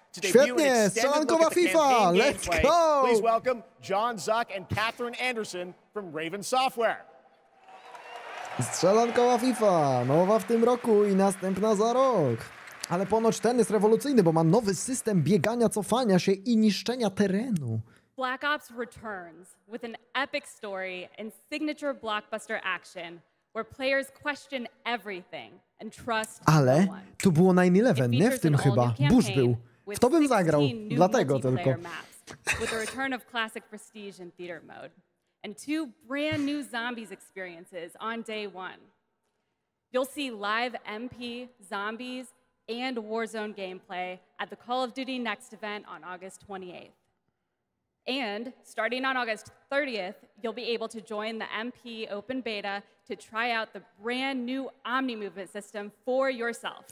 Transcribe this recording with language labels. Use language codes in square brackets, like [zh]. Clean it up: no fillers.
[pl] To świetnie! Strzelankowa FIFA! [en] Let's go! Please welcome John Zuck and Catherine Anderson from Raven Software. [pl] Strzelankowa FIFA, nowa w tym roku i następna za rok. Ale ponoć ten jest rewolucyjny, bo ma nowy system biegania, cofania się i niszczenia terenu. [en] Black Ops returns with an epic story and signature blockbuster action, where players question everything and trust no one. [pl] Ale tu było 9-11, nie w tym chyba. Burz był. W to bym zagrał, dlatego tylko. [en] With the return of classic prestige and theater mode. And two brand new zombies experiences on day one. You'll see live MP, zombies, and Warzone gameplay at the Call of Duty Next event on August 28th. And starting on August 30th, you'll be able to join the MP open beta to try out the brand new Omni Movement system for yourself.